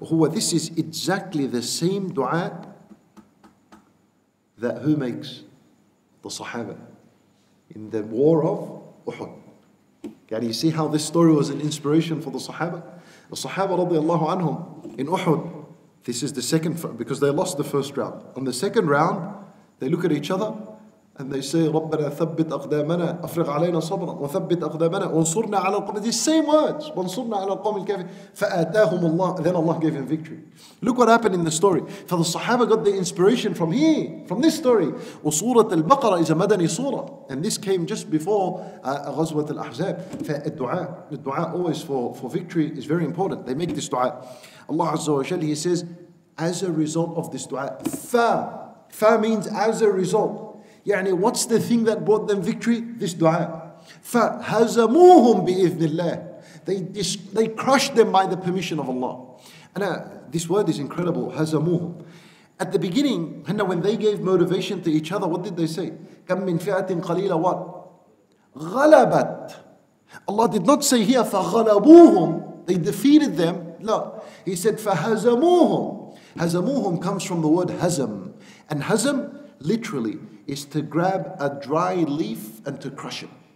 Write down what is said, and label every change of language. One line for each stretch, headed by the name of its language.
English: This is exactly the same dua that who makes? The Sahaba. In the war of Uhud. Can you see how this story was an inspiration for the Sahaba? The Sahaba radiallahu anhum in Uhud. This is the second, because they lost the first round. On the second round, they look at each other. And they say,
Arabic: رَبَّنَا ثَبِّتْ أَقْدَامَنَا أَفْرِغْ عَلَيْنَا صَبْرًا وَثَبِّتْ أَقْدَامَنَا وَانْصُرْنَا عَلَى الْقَوْمِ.
English: These same words.
Arabic: وَانْصُرْنَا عَلَى الْقَوْمِ الْكَافِرِينَ. فَآتَاهُمُ اللَّهُ.
English: Then Allah gave him victory. Look what happened in the story. For the Sahaba got the inspiration from here, from this story.
Arabic: وَسُورَةُ الْبَقَرَةِ
English: is a madani surah. And this came just before
Arabic: غَزْوَةُ الْأَحْزَابِ. فَالدُعَاء.
English: The dua always for victory is very important. They make this dua. Allah Azza wa Jalla, he says, as a result of this dua. Fa means as a result. يعني what's the thing that brought them victory? This dua.
Arabic: فَهَزَمُوهُمْ بِإِذْنِ اللَّهِ.
English: They crushed them by the permission of Allah. And this word is incredible. هَزَمُوهُمْ. At the beginning, when they gave motivation to each other, what did they say?
Arabic: كَمْ مِنْ فِئَةٍ قَلِيلَ what? غَلَبَتْ.
English: Allah did not say here, فَغَلَبُوهُمْ. They defeated them. No. He said, فَهَزَمُوهُمْ. هَزَمُوهُمْ comes from the word hazam. And hazam, literally, is to grab a dry leaf and to crush it.